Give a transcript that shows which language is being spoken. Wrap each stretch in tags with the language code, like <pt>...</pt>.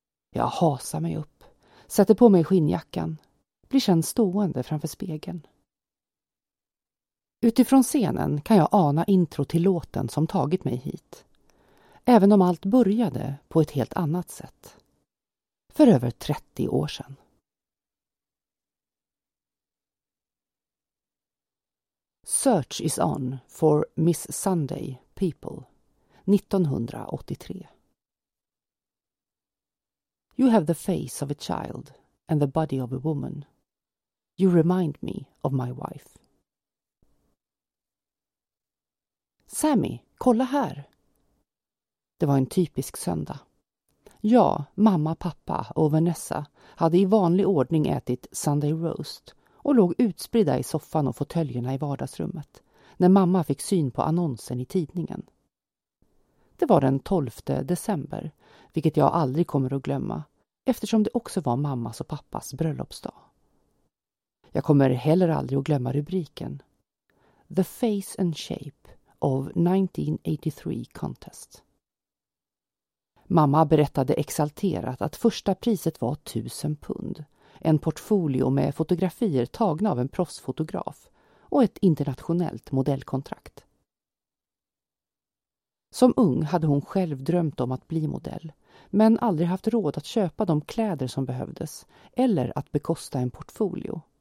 <sv>Jag hasar mig upp, sätter på mig skinnjackan, blir sedan stående framför spegeln. Utifrån scenen kan jag ana intro till låten som tagit mig hit, även om allt började på ett helt annat sätt, för över 30 år sedan.</sv> <en>Search is on for Miss Sunday People, 1983. You have the face of a child and the body of a woman. You remind me of my wife.</en> <sv>Sammy, kolla här! Det var en typisk söndag. Jag, mamma, pappa och Vanessa hade i vanlig ordning ätit Sunday roast och låg utspridda i soffan och fåtöljerna i vardagsrummet när mamma fick syn på annonsen i tidningen. Det var den 12 december, vilket jag aldrig kommer att glömma. Eftersom det också var mammas och pappas bröllopsdag. Jag kommer heller aldrig att glömma rubriken.</sv> <en>The Face and Shape of 1983 Contest.</en> <sv>Mamma berättade exalterat att första priset var 1000 pund. En portfolio med fotografier tagna av en proffsfotograf och ett internationellt modellkontrakt. Som ung hade hon själv drömt om att bli modell, men aldrig haft råd att köpa de kläder som behövdes eller att bekosta en portfolio.</sv>